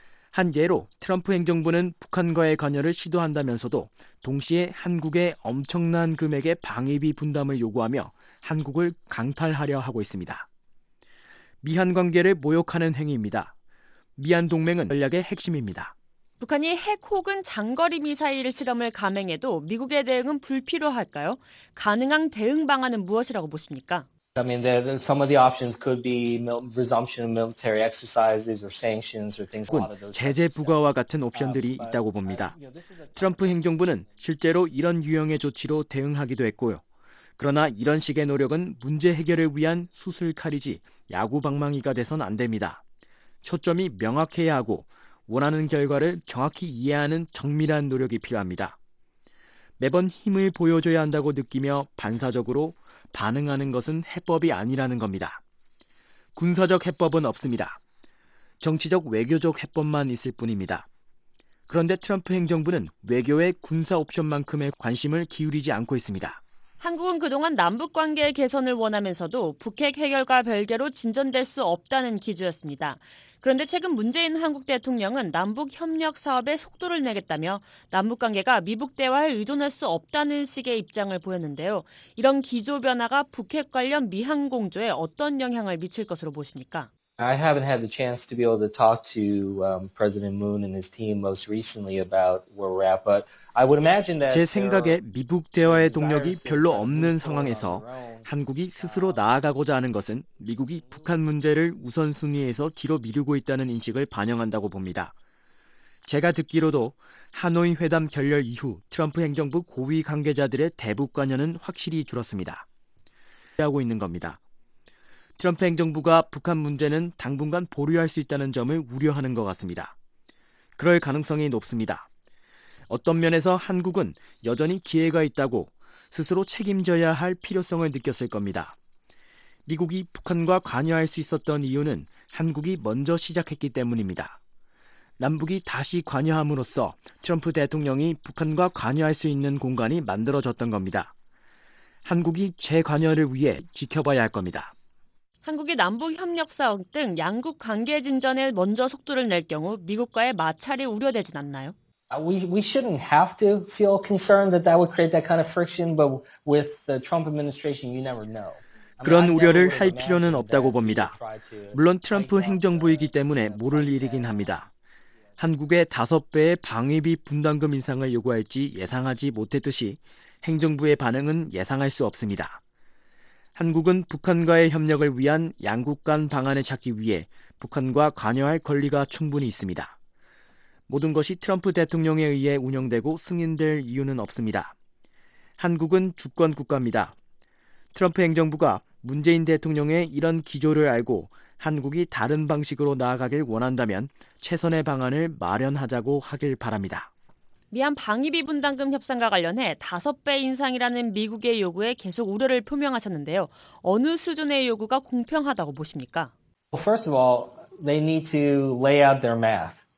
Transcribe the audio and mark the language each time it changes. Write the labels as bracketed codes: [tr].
[ko] 한 예로 트럼프 행정부는 북한과의 관여를 시도한다면서도 동시에 한국의 엄청난 금액의 방위비 분담을 요구하며 한국을 강탈하려 하고 있습니다. 미한 관계를 모욕하는 행위입니다. 미한 동맹은 전략의 핵심입니다. 북한이 핵 혹은 장거리 미사일 실험을 감행해도 미국의 대응은 불필요할까요? 가능한 대응 방안은 무엇이라고 보십니까? [en] I mean, some of the options could be resumption of military exercises or sanctions or things. [ko] 혹은 제재 부과와 같은 옵션들이 있다고 봅니다. 트럼프 행정부는 실제로 이런 유형의 조치로 대응하기도 했고요. 그러나 이런 식의 노력은 문제 해결을 위한 수술칼이지 야구방망이가 돼선 안 됩니다. 초점이 명확해야 하고 원하는 결과를 정확히 이해하는 정밀한 노력이 필요합니다. 매번 힘을 보여줘야 한다고 느끼며 반사적으로 반응하는 것은 해법이 아니라는 겁니다. 군사적 해법은 없습니다. 정치적 외교적 해법만 있을 뿐입니다. 그런데 트럼프 행정부는 외교의 군사 옵션만큼의 관심을 기울이지 않고 있습니다. 한국은 그동안 남북관계 개선을 원하면서도 북핵 해결과 별개로 진전될 수 없다는 기조였습니다. 그런데 최근 문재인 한국 대통령은 남북협력 사업에 속도를 내겠다며 남북관계가 미북 대화에 의존할 수 없다는 식의 입장을 보였는데요. 이런 기조 변화가 북핵 관련 미한 공조에 어떤 영향을 미칠 것으로 보십니까? [en] I haven't had the chance to be able to talk to President Moon and his team most recently about where we're at, but I would imagine that [ko] 제 생각에 미북 대화의 동력이 별로 없는 상황에서 한국이 스스로 나아가고자 하는 것은 미국이 북한 문제를 우선순위에서 뒤로 미루고 있다는 인식을 반영한다고 봅니다. 제가 듣기로도 하노이 회담 결렬 이후 트럼프 행정부 고위 관계자들의 대북 관여는 확실히 줄었습니다. 하고 있는 겁니다. 트럼프 행정부가 북한 문제는 당분간 보류할 수 있다는 점을 우려하는 것 같습니다. 그럴 가능성이 높습니다. 어떤 면에서 한국은 여전히 기회가 있다고 스스로 책임져야 할 필요성을 느꼈을 겁니다. 미국이 북한과 관여할 수 있었던 이유는 한국이 먼저 시작했기 때문입니다. 남북이 다시 관여함으로써 트럼프 대통령이 북한과 관여할 수 있는 공간이 만들어졌던 겁니다. 한국이 재관여를 위해 지켜봐야 할 겁니다. 한국이 남북협력사업 등 양국 관계 진전에 먼저 속도를 낼 경우 미국과의 마찰이 우려되진 않나요? [en] We shouldn't have to feel concerned that that would create that kind of friction, but with the Trump administration, you never know. [ko] 그런 우려를 할 필요는 없다고 봅니다. 물론 트럼프 행정부이기 때문에 모를 일이긴 합니다. 한국의 5배의 방위비 분담금 인상을 요구할지 예상하지 못했듯이 행정부의 반응은 예상할 수 없습니다. 한국은 북한과의 협력을 위한 양국 간 방안을 찾기 위해 북한과 관여할 권리가 충분히 있습니다. 모든 것이 트럼프 대통령에 의해 운영되고 승인될 이유는 없습니다. 한국은 주권 국가입니다. 트럼프 행정부가 문재인 대통령의 이런 기조를 알고 한국이 다른 방식으로 나아가길 원한다면 최선의 방안을 마련하자고 하길 바랍니다. 미한 방위비 분담금 협상과 관련해 5배 인상이라는 미국의 요구에 계속 우려를 표명하셨는데요. 어느 수준의 요구가 공평하다고 보십니까? [en] First of all, they need to lay out their math.